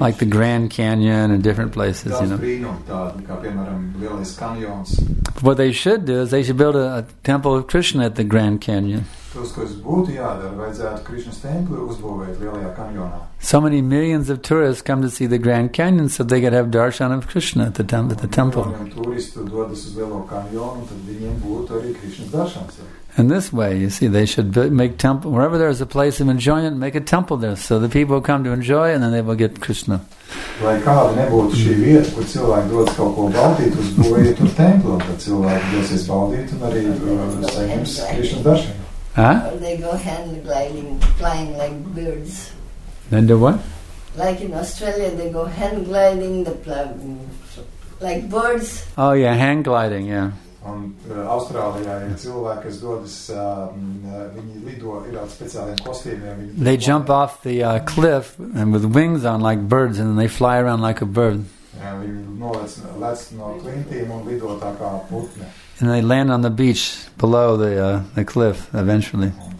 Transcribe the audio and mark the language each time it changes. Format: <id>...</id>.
<en>Like the Grand Canyon and different places, you know.</en> <lv>Dabas brīnumi, tādi, kā piemēram, Lielais kanjons.</lv> <en>What they should do is they should build a temple of Krishna at the Grand Canyon.</en> <lv>Tos, ko es būtu jādara, vajadzētu Krishnas templi uzbūvēt Lielajā kanjonā.</lv> <en>So many millions of tourists come to see the Grand Canyon, so they could have darshan of Krishna at the temple.</en> <lv>Un turisti dodas uz Lielo kanjonu, un tad viņiem būtu arī Krishnas darshans.</lv> <en>In this way, you see, they should make temple, wherever there is a place of enjoyment, make a temple there, so the people come to enjoy and then they will get Krishna.</en> <lv>Lai kāda nebūtu šī vieta, kur cilvēki dod kaut ko baudīt, uzbūvēja tur templu, tad cilvēki dosies baudīt un arī saņems Krishna darshan. Huh?</lv> <en>They go hand gliding, flying like birds. Then do what? Like in Australia, they go hand gliding, the like birds. Oh yeah, hand gliding, yeah.</en> <lv>Un Austrālijā ir cilvēki, kas dodas, viņi lido, ir ar speciāliem kostīmiem.</lv> <en>They jump off the cliff and with wings on like birds and then they fly around like a bird.</en> <lv>Viņi nolec no klintīm un lido tā kā putne.</lv> <en>And they land on the beach below the cliff eventually.</en>